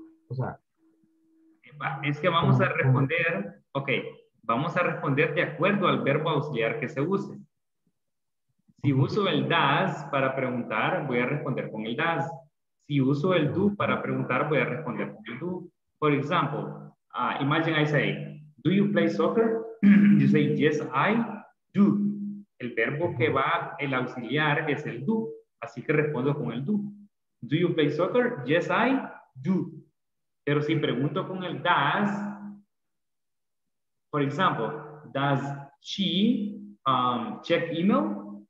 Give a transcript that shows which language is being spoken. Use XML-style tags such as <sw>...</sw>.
<es>O sea, es que vamos a responder, ok. Vamos a responder de acuerdo al verbo auxiliar que se use. Si uso el does para preguntar, voy a responder con el does. Si uso el do para preguntar, voy a responder con el do.</es> <en>For example, imagine I say, do you play soccer? You say, yes, I do.</en> <es>El verbo que va el auxiliar es el do. Así que respondo con el do.</es> <en>Do you play soccer? Yes, I do.</en> <es>Pero si pregunto con el does,</es> <en>for example, does she check email?</en>